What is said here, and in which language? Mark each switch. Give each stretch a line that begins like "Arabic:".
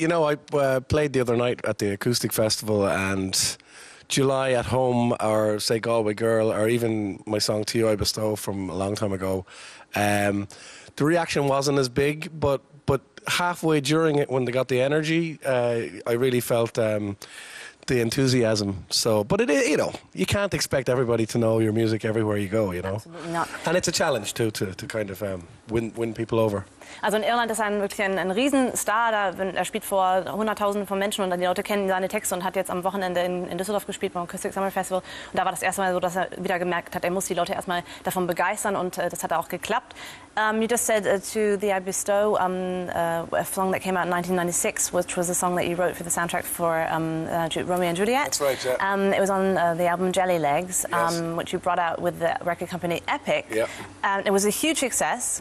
English: You know, I played the other night at the Acoustic Festival, and July at Home, or say Galway Girl, or even my song To You I Bestow from a long time ago, the reaction wasn't as big, but halfway during it, when they got the energy, I really felt the enthusiasm. So, but it, you know, you can't expect everybody to know your music everywhere you go, you know. Absolutely not. And it's a challenge to kind of win people over.
German: Also in Irland ist er wirklich ein Riesenstar. Er spielt vor Hunderttausenden von Menschen und die Leute kennen seine Texte und hat jetzt am Wochenende in Düsseldorf gespielt beim Acoustic Summer Festival. Und da war das erste Mal so, dass er wieder gemerkt hat, er muss die Leute erstmal davon begeistern, und das hat auch geklappt.
English: You just said To The I Bestow, a song that came out in 1996, which was a song that you wrote for the soundtrack for Romeo and Juliet. That's right, yeah. It was on the album Jelly Legs, yes. Which you brought out with the record company Epic. Yeah. It was a huge success.